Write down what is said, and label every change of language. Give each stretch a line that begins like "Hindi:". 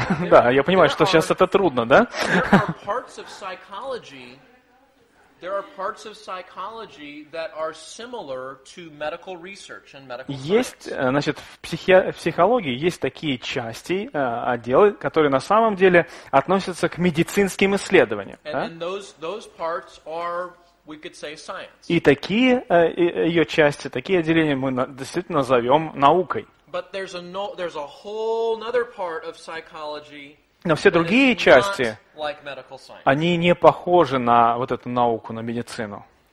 Russian: Да, я понимаю, что сейчас это трудно, да?
English: There are parts of psychology. There are parts of psychology that are similar to medical research and medical science.
Russian: Есть, значит, в психологии есть такие части, отделы, которые на самом деле относятся к медицинским исследованиям.
English: And those parts are, we could say, science.
Russian: И такие ее части, такие отделения мы действительно назовем наукой.
English: But there's a whole other part of psychology.
Russian: Но все другие части, они не похожи на вот эту науку, на медицину.